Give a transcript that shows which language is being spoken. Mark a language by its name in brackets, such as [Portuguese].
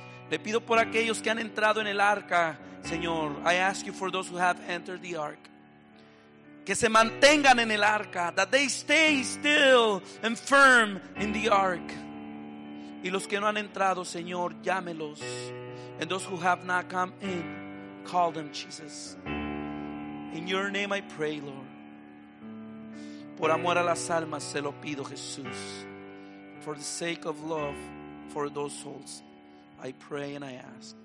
[Spanish] Le pido por aquellos que han entrado en el arca, Señor. [English] I ask you for those who have entered the ark. [Spanish] Que se mantengan en el arca. [English] That they stay still and firm in the ark. [Spanish] Y los que no han entrado, Señor, llámelos. [English] And those who have not come in, call them, Jesus. In your name I pray, Lord. [Spanish] Por amor a las almas se lo pido, Jesús. [English] For the sake of love for those souls, I pray and I ask.